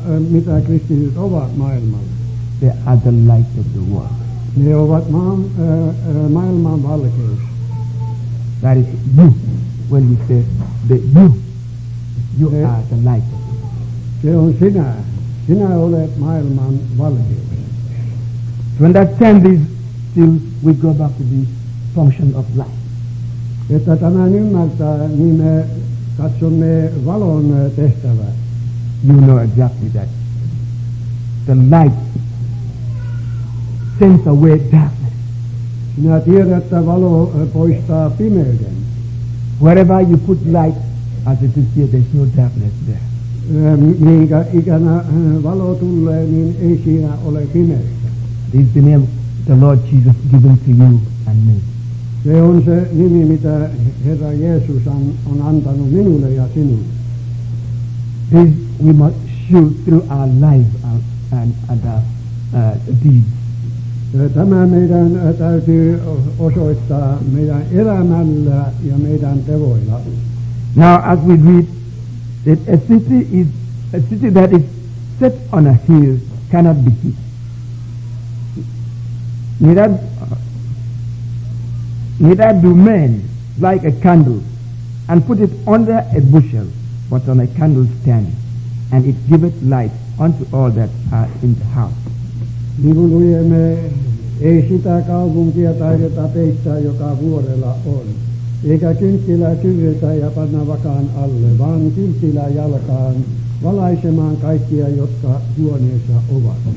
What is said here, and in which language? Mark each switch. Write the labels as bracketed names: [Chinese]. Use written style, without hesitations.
[Finnish] Mitä kristityt ovat maailmalle? [English] They are the light of the world. [Finnish] Ne ovat maailman valkeus. [English] That is you. When you say that you are the light. [Finnish] Se on sinä. Sinä olet maailman valkeus. [English] To understand this, till we go back to the function of life. [Finnish] Että tämän ymmärtää, niin me katsomme valon tehtävä. [English] You know exactly that. The light sends away darkness. [Finnish] Sinä tiedät, että valo poistaa pimeyden. [English] Wherever you put light, as it is here, there's no darkness there. [Finnish] Minkä ikänä valo tulee, niin ei siinä ole pimeyttä. [English] This is the name the Lord Jesus given to you and me. [Finnish] Se on se nimi, mitä Herra Jeesus on antanut minulle ja sinulle. [English] This we must shoot through our lives and our deeds. [Finnish] Tämä meidän täytyy osoittaa meidän elämällä ja meidän tevoilla. [English] Now as we read, that a city is a city that is set on a hill cannot be hid. Neither do men light a candle and put it under a bushel, but on a candlestand, and it giveth light unto all that are in the house. [Finnish] Niin luemme, ei sitä kaupunkia taideta peittää, joka vuorella on. Eikä kynttilää kyvytä ja panna vakaan alle, vaan kynttilää jalkaan valaisemaan kaikkia, jotka huoneessa ovat.